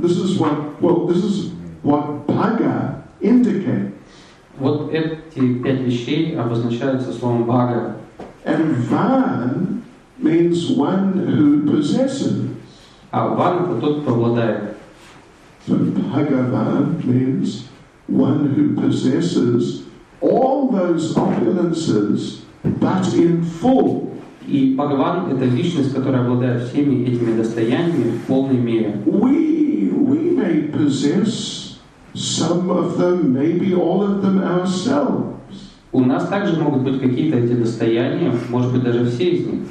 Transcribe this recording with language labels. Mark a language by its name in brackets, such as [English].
[English] This is what, well, this is what Bhaga indicates. [Russian] Вот эти пять вещей обозначаются словом Бхага. [English] And Van means one who possesses. [Russian] А Ван – это тот, кто обладает. [English] So Bhagavan means one who possesses all those opulences, but in full. [Russian] И Бхагаван – это личность, которая обладает всеми этими достояниями в полной мере. [English] We may possess some of them, maybe all of them ourselves. [Russian] У нас также могут быть какие-то эти достояния, может быть, даже все из них.